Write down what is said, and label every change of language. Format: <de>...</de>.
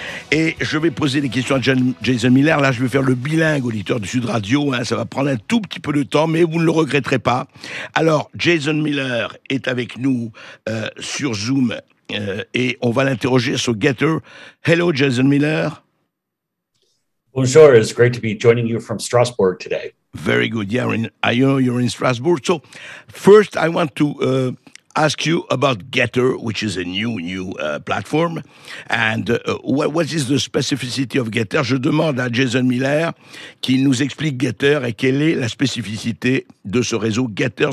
<fr>Et je vais poser des questions à Jason Miller, là je vais faire le bilingue auditeur du Sud Radio, hein, ça va prendre un tout petit peu de temps, mais vous ne le regretterez pas. Alors, Jason Miller est avec nous sur Zoom et on va l'interroger sur Getter.</fr> <en>Hello Jason Miller. Bonjour, it's great to be joining you from Strasbourg today. Very good. Yeah, I know you're in Strasbourg. So first, I want to ask you about Getter, which is a new platform. And what is the specificity of Getter?</en> <fr>Je demande à Jason Miller qu'il nous explique Getter et quelle est la spécificité de ce réseau Getter.</fr>